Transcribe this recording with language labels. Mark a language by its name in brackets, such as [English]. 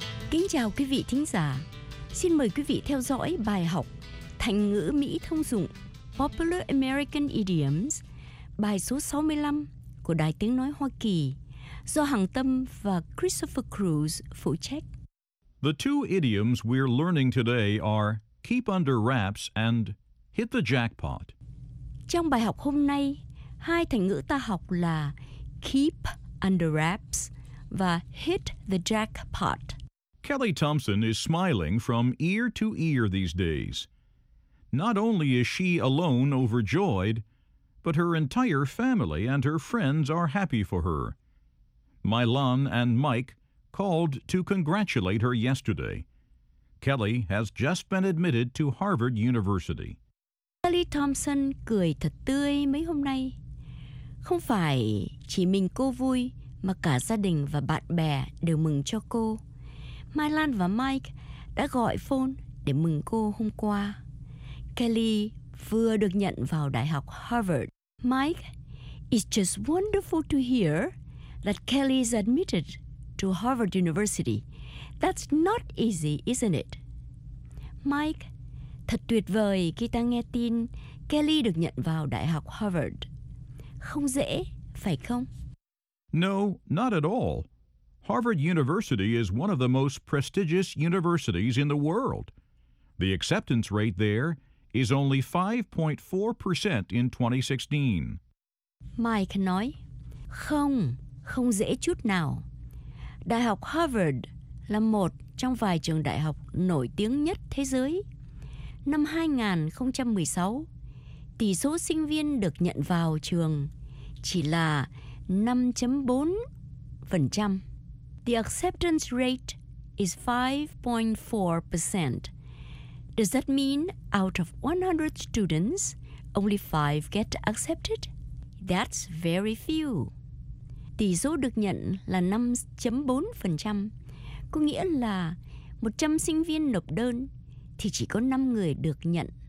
[Vietnamese] Kính chào quý vị thính giả. Xin mời quý vị theo dõi bài học thành ngữ Mỹ thông dụng Popular American Idioms, bài số 65 của Đài Tiếng Nói Hoa Kỳ, do Hằng Tâm và Christopher Cruz phụ trách. [English] The two idioms we're learning today are keep under wraps and hit the jackpot. [Vietnamese] Trong bài học hôm nay, hai thành ngữ ta học là keep under wraps và hit the jackpot. [English] Kelly Thompson is smiling from ear to ear these days. Not only is she alone overjoyed, but her entire family and her friends are happy for her. Mylon and Mike called to congratulate her yesterday. Kelly has just been admitted to Harvard University. [Vietnamese] Kelly Thompson cười thật tươi mấy hôm nay. Không phải chỉ mình cô vui, mà cả gia đình và bạn bè đều mừng cho cô. Mylon và Mike đã gọi phone để mừng cô hôm qua. Kelly vừa được nhận vào Đại học Harvard. [English] Mike, it's just wonderful to hear that Kelly is admitted to Harvard University. That's not easy, isn't it? [Vietnamese] Mike, thật tuyệt vời khi ta nghe tin Kelly được nhận vào Đại học Harvard. Không dễ, phải không? [English] No, not at all. Harvard University is one of the most prestigious universities in the world. The acceptance rate there is only 5.4% in 2016. [Vietnamese] Mike nói, không, không dễ chút nào. Đại học Harvard là một trong vài trường đại học nổi tiếng nhất thế giới. Năm 2016, tỷ số sinh viên được nhận vào trường chỉ là 5.4%. [English] The acceptance rate is 5.4%. Does that mean out of 100 students, only 5 get accepted? That's very few. [Vietnamese] Tỷ số được nhận là 5.4%, có nghĩa là 100 sinh viên nộp đơn thì chỉ có 5 người được nhận.